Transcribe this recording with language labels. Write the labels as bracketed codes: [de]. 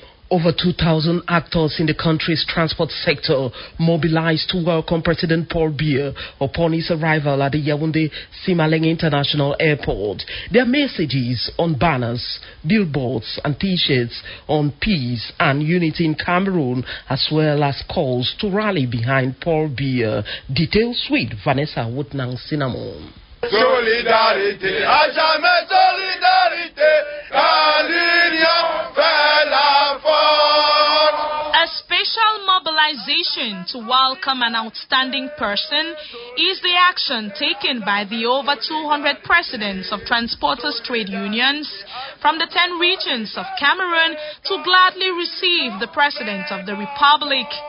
[en] Over 2,000 actors in the country's transport sector mobilized to welcome President Paul Biya upon his arrival at the Yaoundé Simalén International Airport. Their messages on banners, billboards and t-shirts on peace and unity in Cameroon, as well as calls to rally behind Paul Biya. Details with Vanessa Wutnang Sinamon. [fr] Solidarité, à jamais solidarité, car l'union fait la force. [en] A special mobilization to welcome an outstanding person is the action taken by the over 200 presidents of transporters' trade unions from the 10 regions of Cameroon to gladly receive the President of the Republic.